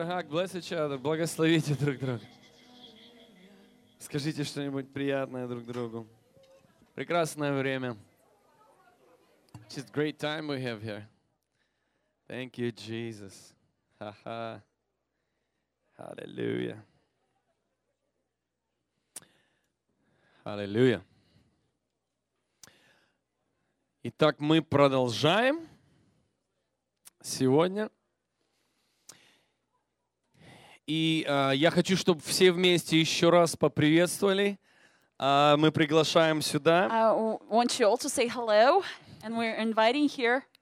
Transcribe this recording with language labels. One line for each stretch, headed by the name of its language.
English: Bless each other,
Russian: благословите друг друга. Скажите что-нибудь приятное друг другу. Прекрасное время.
English: It's just great time we have here. Thank you, Jesus. Ha-ha. Hallelujah. Hallelujah.
Russian: Итак, мы продолжаем сегодня. И я хочу, чтобы все вместе еще раз поприветствовали. Мы приглашаем сюда.
English: I want you all to say hello, and we're inviting here.